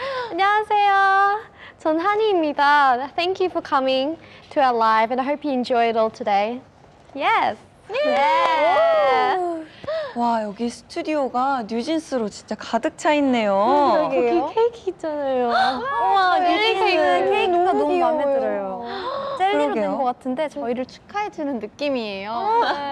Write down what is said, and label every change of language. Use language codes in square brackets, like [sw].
[ko] 안녕하세요, 전 하니입니다. [en] Thank you for coming to our live and I hope you enjoy it all today. Yes! Yeah. [ko] 와, 여기 스튜디오가 뉴진스로 진짜 가득 차 있네요. 거기 케이크 있잖아요. 와, 뉴진스 케이크가 너무 귀여워요. 마음에 들어요. 젤리로 된 것 같은데 저희를 축하해 주는 느낌이에요.